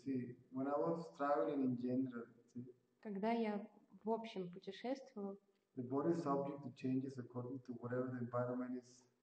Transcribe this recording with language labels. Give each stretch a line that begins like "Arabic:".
English: See, when I was traveling in general, see,
Russian: когда я в общем путешествовал,
English: the body is subject to changes according to whatever the environment is.